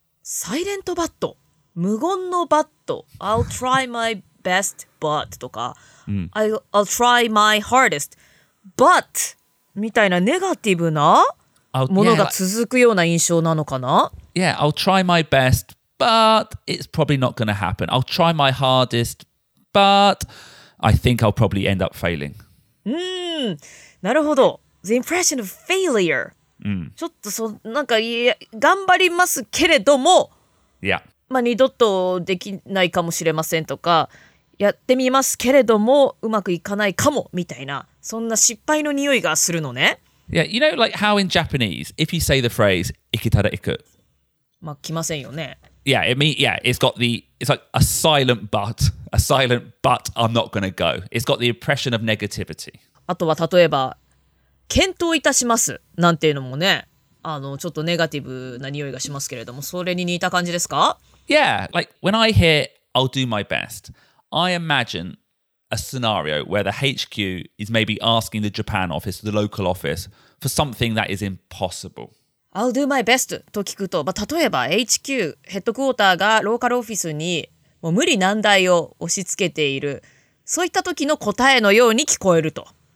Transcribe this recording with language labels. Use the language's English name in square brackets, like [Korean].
[Japanese] サイレントバット、無言のバット、 [English] I'll try my best but [Japanese] とか、 [English] I'll try my hardest but [Japanese] みたいなネガティブなものが続くような印象なのかな [English] Yeah, I'll try my best but it's probably not going to happen. I'll try my hardest but I think I'll probably end up failing. [Japanese] なるほど。 [English] The impression of failure. [Japanese] ちょっとそなんかいや頑張りますけれども、 [English] yeah. [Japanese] まあ二度とできないかもしれませんとかやってみますけれどもうまくいかないかもみたいなそんな失敗の匂いがするのね [English] Yeah, you know like how in Japanese if you say the phrase [Japanese] ikitara iku まあ来ませんよね [English] Yeah, it mean, yeah, it's got the it's like a silent but I'm not gonna go It's got the impression of negativity [Japanese] あとは例えば検討いたしますなんていうのもねあのちょっとネガティブな匂いがしますけれどもそれに似た感じですか [English] Yeah, like when I hear I'll do my best I imagine a scenario where the HQ is maybe asking the Japan office, the local office for something that is impossible I'll do my best [Japanese] と聞くと、まあ、例えば HQ ヘッドクォーターがローカルオフィスにもう無理難題を押し付けているそういった時の答えのように聞こえると